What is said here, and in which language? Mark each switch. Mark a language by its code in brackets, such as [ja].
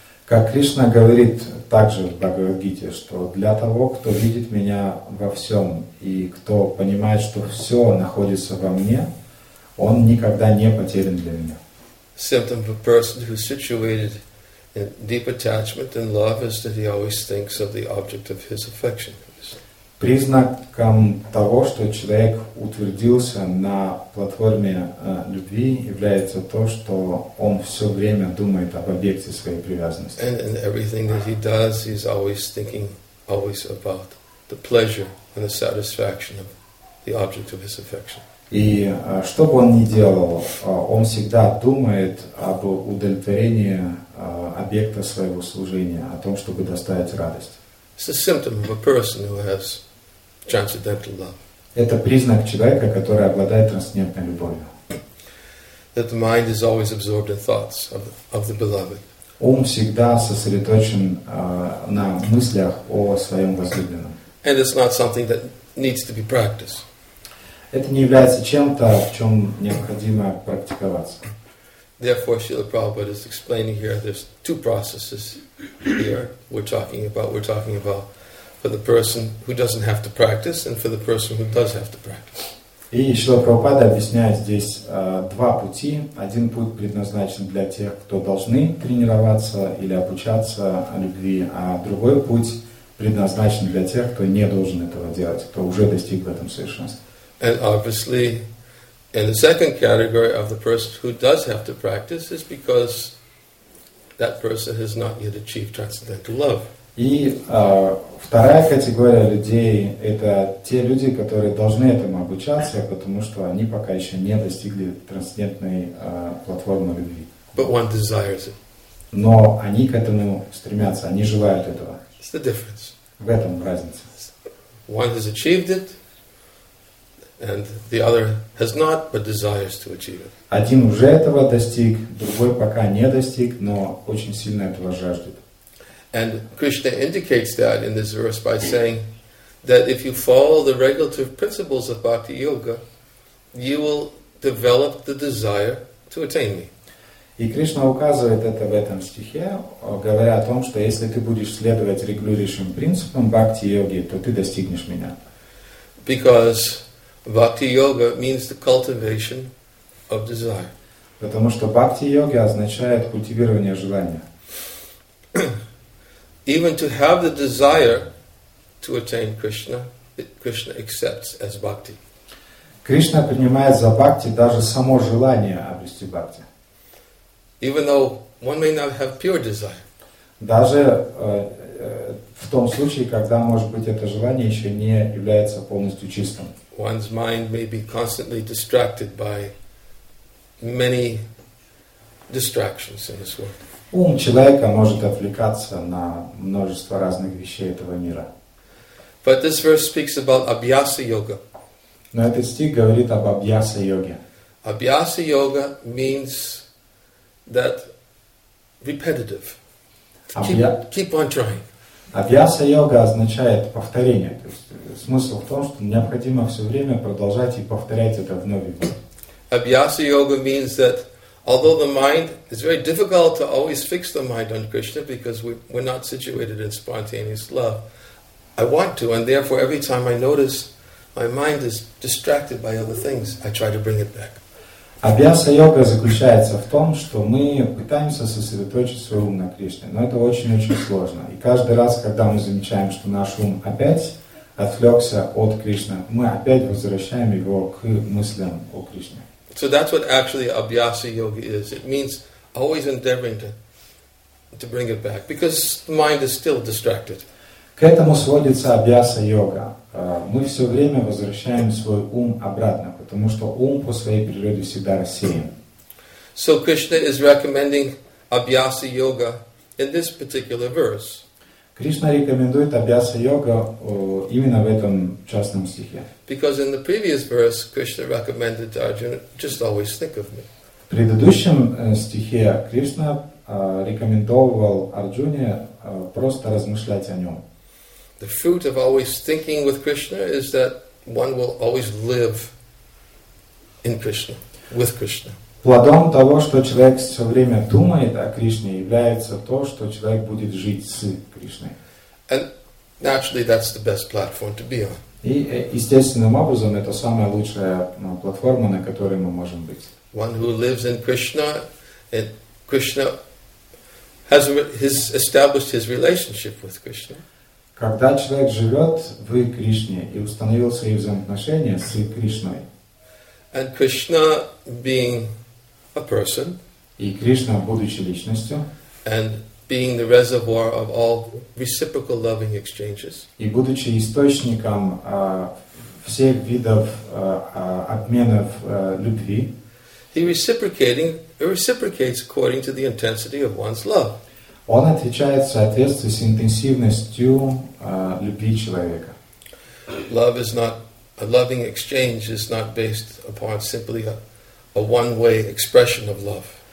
[ru] Как Кришна говорит также в Бхагавад-гите, что для того, кто видит меня во всем и кто понимает, что все находится во мне, он никогда не потерян для меня. [en] Symptom of a person who is situated in deep attachment and love is that he always thinks of the object of his affection. [ru] Признаком того, что человек утвердился на платформе любви, является то, что он все время думает об объекте своей привязанности. [en] And everything that he does, he's always thinking always about the pleasure and the satisfaction of the object of his affection. [ru] И что бы он ни делал, он всегда думает об удовлетворении объекта своего служения, о том, чтобы доставить радость. [en] It's a symptom of a person who has transcendental love. [ru] Это признак человека, который обладает трансцендентной любовью. [en] That the mind is always absorbed in thoughts of the beloved. [ru] Ум всегда сосредоточен на мыслях о своем возлюбленном. [en] And it's not something that needs to be practiced. [ru] Это не является чем-то, в чем необходимо практиковаться. [en] Therefore, Srila Prabhupada is explaining here, there's two processes here we're talking about. We're talking about for the person who doesn't have to practice and for the person who does have to practice. [ru] И Шрила Прабхупада объясняет здесь два пути. Один путь предназначен для тех, кто должны тренироваться или обучаться любви, а другой путь предназначен для тех, кто не должен этого делать, кто уже достиг в этом совершенства. [en] And obviously, in the second category of the person who does have to practice is because that person has not yet achieved transcendental love. [ru] И вторая категория людей — это те люди, которые должны этому обучаться, потому что они пока еще не достигли трансцендентной платформы любви. [en] But one desires it. [ru] Но они к этому стремятся, они желают этого. [en] It's the difference. [ru] В этом разница. [en] One has achieved it, and the other has not, but desires to achieve it. [ru] Один уже этого достиг, другой пока не достиг, но очень сильно этого жаждет. [en] And Krishna indicates that in this verse by saying that if you follow the regulative principles of bhakti yoga, you will develop the desire to attain me. [ru] И Кришна указывает это в этом стихе, говоря о том, что если ты будешь следовать регулирующим принципам бхакти йоги, то ты достигнешь меня. [en] Because bhakti yoga means the cultivation of desire. [ru] Потому что бхакти йога означает культивирование желания. [en] Even to have the desire to attain Krishna, Krishna accepts as bhakti. [ru] Кришна принимает за бхакти даже само желание обрести бхакти. [en] Even though one may not have pure desire. [ru] Даже в том случае, когда, может быть, это желание еще не является полностью чистым. [en] One's mind may be constantly distracted by many distractions in this world. [ru] Ум человека может отвлекаться на множество разных вещей этого мира. [en] But this verse speaks about abhyasa yoga. [ru] Но этот стих говорит об абьяса йоге. [en] Abhyasa yoga means that repetitive. Keep on trying. [ru] Абьяса йога означает повторение. То есть смысл в том, что необходимо все время продолжать и повторять это вновь и вновь. [en] Abhyasa yoga means that although the mind, it's very difficult to always fix the mind on Krishna because we're not situated in spontaneous love. I want to, and therefore every time I notice my mind is distracted by other things, I try to bring it back. [ru] Абьяса йога заключается в том, что мы пытаемся сосредоточить свой ум на Кришне, но это очень-очень сложно. И каждый раз, когда мы замечаем, что наш ум опять отвлекся от Кришны, мы опять возвращаем его к мыслям о Кришне. [en] So that's what actually abhyasa yoga is. It means always endeavoring to bring it back because the mind is still distracted. [ru] К этому сводится абьяса йога. Мы все время возвращаем свой ум обратно, потому что ум по своей природе всегда рассеян. [en] So Krishna is recommending abhyasa yoga in this particular verse. [ru] Кришна рекомендует абьяса йога именно в этом частном стихе. [en] Because in the previous verse, Krishna recommended to Arjuna, just always think of me. [ru] предыдущем стихе Кришна рекомендовал Арджуне просто размышлять о нем. [en] The fruit of always thinking with Krishna is that one will always live in Krishna, with Krishna. [ru] Плодом того, что человек все время думает о Кришне, является то, что человек будет жить с Кришной. [en] And naturally, that's the best platform to be on. [ru] И естественным образом это самая лучшая платформа, на которой мы можем быть. [en] One who lives in Krishna, and Krishna has established his relationship with Krishna. [ru] Когда человек живет в Кришне и установил свои взаимоотношения с Кришной. [en] And Krishna being a person, [ru] и Кришна, будучи личностью, [en] and being the reservoir of all reciprocal loving exchanges, [ru] и будучи источником всех видов обменов любви, [en] he reciprocates according to the intensity of one's love. [ru] Он отвечает в соответствии с интенсивностью любви человека. [en] Love is not a loving exchange is not based upon simply a one-way expression of love.